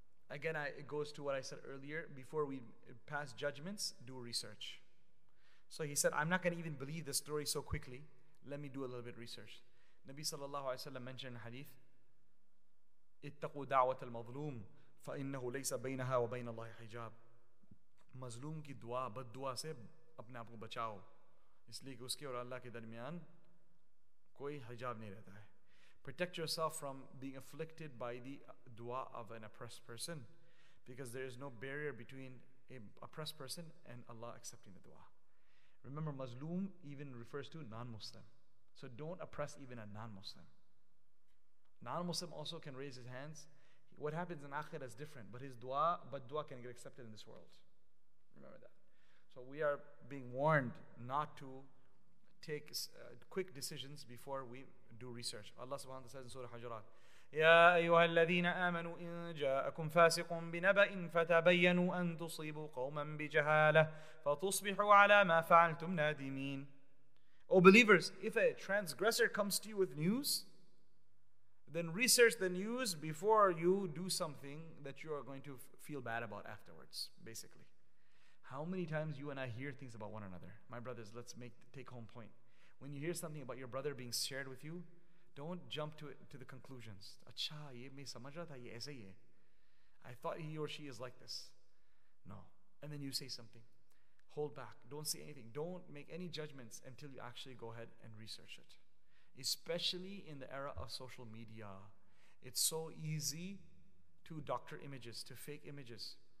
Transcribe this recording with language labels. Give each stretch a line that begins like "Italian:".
English: Again, it goes to what I said earlier. Before we pass judgments, do research. So he said, I'm not going to even believe this story so quickly. Let me do a little bit of research. Nabi sallallahu alayhi wa sallam mentioned in hadith,
Arabic: اتقوا دعوة المظلوم فإنه ليس بينها وبين الله حجاب.
Urdu: مظلوم کی دعا بد دعا سے اپنے آپ کو بچاؤ. اس لئے کہ اس کے اور اللہ کے درمیان کوئی حجاب نہیں رہتا ہے.
English: Protect yourself from being afflicted by the dua of an oppressed person, because there is no barrier between an oppressed person and Allah accepting the dua. Remember, mazloom even refers to non-Muslim. So don't oppress even a non-Muslim. Non-Muslim also can raise his hands. What happens in Akhirah is different, but his dua, but dua can get accepted in this world. Remember that. So we are being warned not to take quick decisions before we do research. Allah subhanahu wa ta'ala says in Surah Hajarat,
Arabic: يا أيها الذين آمنوا إن جاءكم فاسق بنبأ فتبينوا أن تصيبوا قوما بجهالة فتصبحوا على ما فعلتم نادمين.
English: O believers, if a transgressor comes to you with news, then research the news before you do something that you are going to feel bad about afterwards, basically. How many times you and I hear things about one another? My brothers, let's take home point. When you hear something about your brother being shared with you, don't jump to the conclusions.
Urdu: اچھا، یہ میں سمجھ رہا تھا، یہ ایسے ہی ہے.
English: I thought he or she is like this. No. And then you say something. Hold back. Don't say anything. Don't make any judgments until you actually go ahead and research it. Especially in the era of social media, it's so easy to doctor images, to fake images.